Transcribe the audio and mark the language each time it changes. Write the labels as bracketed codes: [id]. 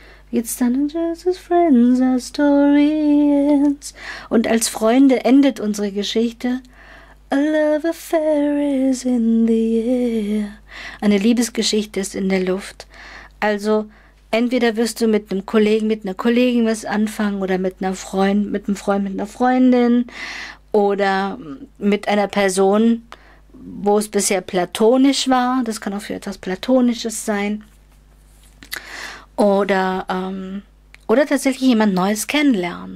[en] It's done, just as friends, our story ends. [de] Und als Freunde endet unsere Geschichte. [en] A love affair is in the air. [de] Eine Liebesgeschichte ist in der Luft. Also, entweder wirst du mit einem Kollegen, mit einer Kollegin was anfangen oder mit einem Freund, mit einer Freundin oder mit einer Person, wo es bisher platonisch war. Das kann auch für etwas Platonisches sein. Oder tatsächlich jemand Neues kennenlernen.